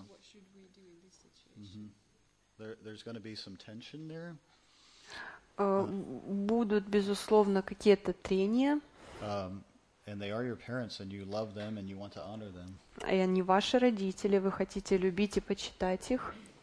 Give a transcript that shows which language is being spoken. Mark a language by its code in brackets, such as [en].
[en] What should we do in this situation? Mm-hmm. There's going to be some tension there. [ru] Будут безусловно какие-то трения. [en] And they are your parents, and you love them, and you want to honor them. [ru] И они ваши родители, вы хотите любить и почитать их.